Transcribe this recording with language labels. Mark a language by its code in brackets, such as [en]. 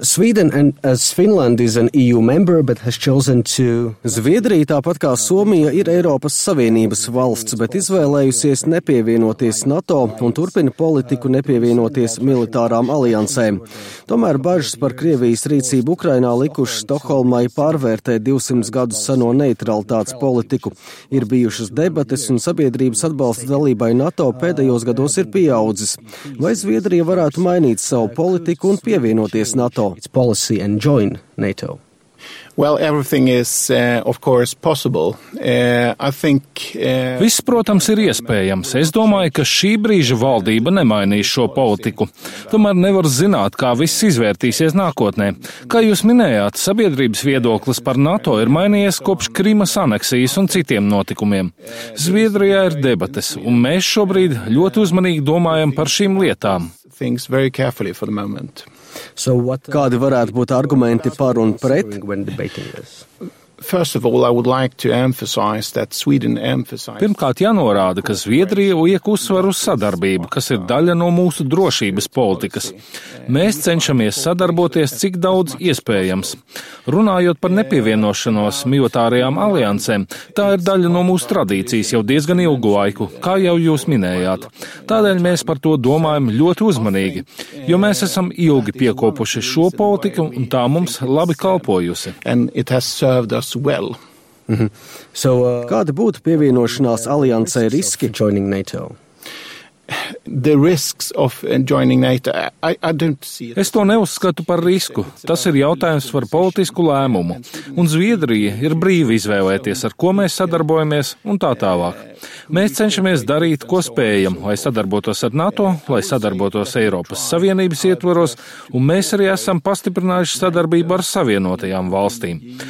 [en] Sweden and as Finland is an EU member, but has chosen to... [lv] Zviedrija, tāpat kā Somija, ir Eiropas Savienības valsts, bet izvēlējusies nepievienoties NATO un turpina politiku nepievienoties militārām aliansēm. Tomēr bažas par Krievijas rīcību Ukrainā likuši Stokholmai pārvērtē 200 gadus seno neutralitātes politiku. Ir bijušas debates un sabiedrības atbalsta dalībai NATO pēdējos gados ir pieaudzis. Vai Zviedrija varētu mainīt savu politiku un pievienoties NATO? [en] Its policy and join NATO. Well, everything is, of course, possible. [lv] Viss, protams, ir iespējams. Es domāju, ka šī brīža valdība nemainīs šo politiku. Tomēr nevar zināt, kā viss izvērtīsies nākotnē. Kā jūs minējāt, sabiedrības viedoklis par NATO ir mainījies kopš Krimas aneksijas un citiem notikumiem. Zviedrijā ir debates, un mēs šobrīd ļoti uzmanīgi domājam par šīm lietām. [en] Things very carefully for the moment. So what [lv] kādi varētu būt argumenti par un pret? [en] First of all, I would like to emphasize that Sweden emphasizes. [lv] Pirmkārt, jānorāda, ka Zviedrija liek uzsvaru uz sadarbību, kas ir daļa no mūsu drošības politikas. Mēs cenšamies sadarboties cik daudz iespējams. Runājot par nepievienošanos militārajām aliansēm, tā ir daļa no mūsu tradīcijas jau diezgan ilgu laiku, kā jau jūs minējāt. Tādēļ mēs par to domājam ļoti uzmanīgi, jo mēs esam ilgi piekopuši šo politiku un tā mums labi kalpojusi. Kāda būtu pievienošanās aliansē riski? [en] Joining NATO. The risks of joining NATO. I don't see it. [lv] Es to neuzskatu par risku. Tas ir jautājums par politisku lēmumu. Un Zviedrija ir brīva izvēlēties, ar ko mēs sadarbojamies, un tā tālāk. Mēs cenšamies darīt, ko spējam, lai sadarbotos ar NATO, lai sadarbotos Eiropas Savienības ietvaros, un mēs arī esam pastiprinājuši sadarbību ar Savienotajām valstīm.